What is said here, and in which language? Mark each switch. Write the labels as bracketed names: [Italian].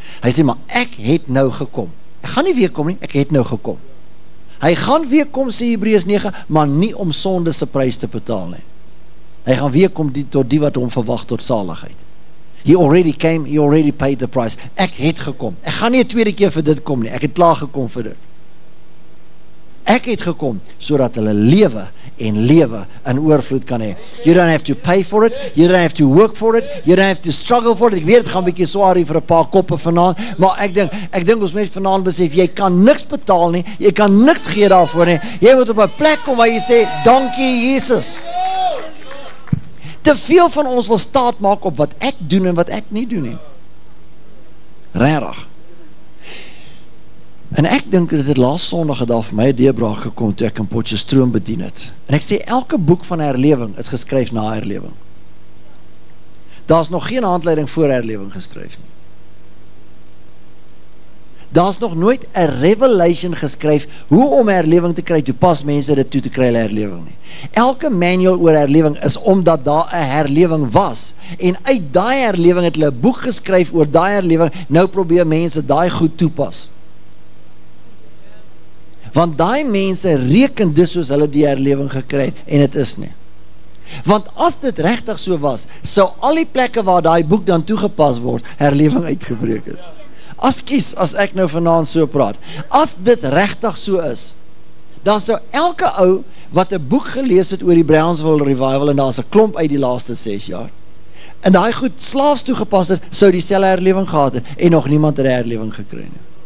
[Afrikaans] Hy sê, maar ek het nou gekom. Ek gaan nie weer kom nie, ek het nou gekom. Hy gaan weer kom, sê Hebreërs 9, maar nie om sonde se prys te betaal nie. Hy gaan weer kom tot die wat hom verwag tot saligheid. [English] He already came, he already paid the price. [Afrikaans] Ek het gekom. Ek gaan nie 'n tweede keer vir dit kom nie. Ek het klaar gekom vir dit. Ek het gekom sodat hulle lewe en lewe in oorvloed kan hê. [English] You don't have to pay for it. [Afrikaans] You don't have to work for it. You don't have to struggle for it. Ek weet het gaan 'n bietjie swaar vir 'n paar koppe vanaand, maar ek dink ons mense vanaand besef jy kan niks betaal nie. Jy kan niks gee daarvoor nie. Jy moet op 'n plek kom waar jy sê dankie Jesus. Te veel van ons wil staat maak op wat ek doen en wat ek nie doen nie. Regtig. En ek dink dat dit laaste sonderdag daar vir my 'n deurbraak gekom toe ek in Potchefstroom bedien het. En ek sê elke boek van herlewing is geskryf na herlewing. Daar is nog geen handleiding voor herlewing geskryf nie. Daar is nog nooit 'n revelation geskryf hoe om herlewing te kry, toe pas mense dit toe te kry hulle herlewing nie. Elke manual oor herlewing is omdat daar 'n herlewing was en uit daai herlewing het hulle 'n boek geskryf oor daai herlewing. Nou probeer mense daai goed toepas. Want daai mense reken dis soos hulle die herlewing gekry het en dit is nie. Want as dit regtig so was, sou al die plekke waar daai boek dan toegepas word, herlewing uitgebreek het. Askies as ek nou vanaand so praat. As dit regtig so is, dan sou elke ou wat 'n boek gelees het oor die Brownsville Revival en daar's 'n klomp uit die laaste 6 jaar en daai goed slaafs toegepas het, sou dieselfde herlewing gehad het en nog niemand het 'n herlewing gekry nie.